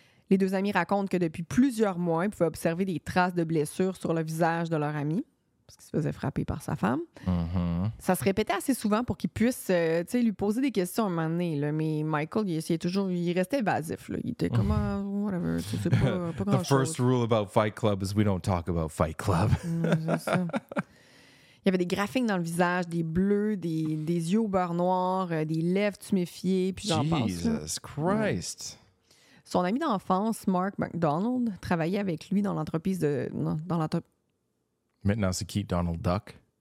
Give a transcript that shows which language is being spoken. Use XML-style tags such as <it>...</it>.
<fr>Les deux amis racontent que depuis plusieurs mois, ils pouvaient observer des traces de blessures sur le visage de leur ami, parce qu'il se faisait frapper par sa femme. Mm-hmm. Ça se répétait assez souvent pour qu'il puisse lui poser des questions à un moment donné. Là. Mais Michael, il essayait toujours, il restait évasif. Là. Il était comme, whatever, c'est pas grand-chose.</fr> <en>The First rule about Fight Club is we don't talk about Fight Club.</en> <fr>Il y avait des graphiques dans le visage, des bleus, des yeux au beurre noir, des lèvres tuméfiées, puis j'en</fr> <en>Jesus</en> <fr>pense.</fr> <en>Jesus Christ!</en> <fr>Ouais. Son ami d'enfance, Mark McDonald, travaillait avec lui dans l'entreprise de... Maintenant, c'est qui, Donald Duck?</fr>